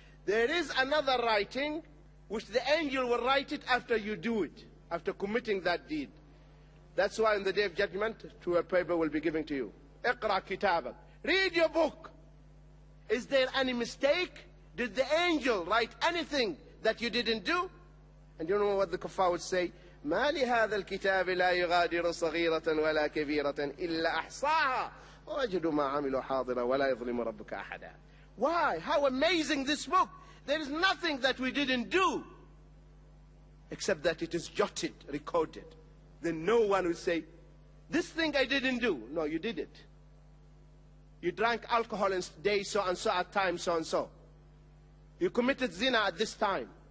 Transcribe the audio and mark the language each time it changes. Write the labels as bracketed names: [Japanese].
[English] There is another writing which the angel will write it after you do it, after committing that deed. That's why on the Day of Judgment, a paper will be given to you. [Arabic] اقرأ كتابك. [English] Read your book. Is there any mistake? Did the angel write anything that you didn't do? And you know what the kuffar would say? [Arabic] ما لهذا الكتاب لا يغادر صغيرة ولا كبيرة إلا أحصاها وجدوا ما عملوا حاضرا ولا يظلم ربك أحدا. [English] Why? How amazing this book. There is nothing that we didn't do, except that it is jotted, recorded. Then no one will say, this thing I didn't do. No, you did it. You drank alcohol in day so and so at time so and so. You committed zina at this time.